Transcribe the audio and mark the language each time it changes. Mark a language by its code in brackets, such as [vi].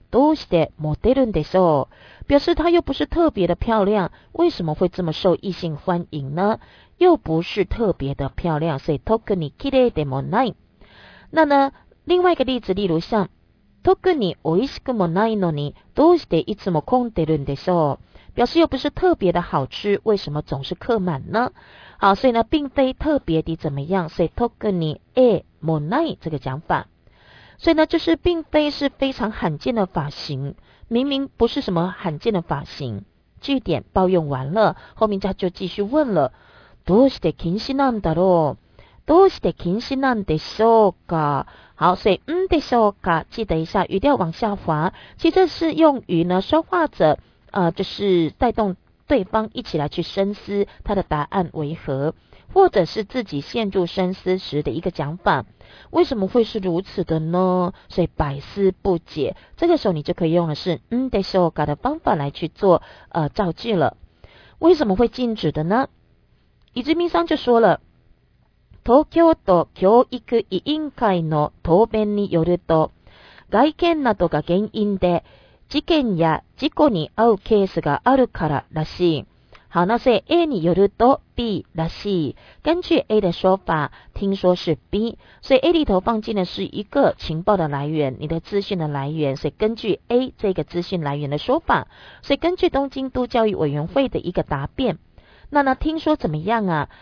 [ja] どうしてモテるんでしょう？ [zh] 表示她又不是特别的漂亮，为什么会这么受异性欢迎呢？又不是特别的漂亮，所以 [ja] 特に綺麗でもない。 [zh] 那呢，另外一个例子，例如像 [ja] 特に美味しくもないのに、どうしていつも混んでるんでしょう？ [zh] 表示又不是特别的好吃，为什么总是客满呢？好，所以呢，并非特别的怎么样，所以特にえもない这个讲法。所以呢，就是并非是非常罕见的发型，明明不是什么罕见的发型。句点抱怨完了，后面他就继续问了： [ja] どうして禁止なんだろう？どうして禁止なんでしょうか？ [zh] 好，所以嗯でしょうか，记得一下语调往下滑。其实这是用于呢说话者，就是带动对方一起来去深思他的答案为何，或者是自己陷入深思时的一个讲法。为什么会是如此的呢？所以百思不解，这个时候你就可以用的是嗯でしょうか的方法来去做造句了。为什么会禁止的呢？ [ja] 伊之名桑 [zh] 就说了， [ja] 東京都教育委員会の答弁によると、外見などが原因で事件や事故に遭うケースがあるかららしい。 [zh] 好，那所以 A によると B らしい，根据 A 的说法，听说是 B， 所以 A 里头放进的是一个情报的来源，你的资讯的来源，所以根据 A 这个资讯来源的说法，所以根据东京都教育委员会的一个答辩，那呢听说怎么样啊？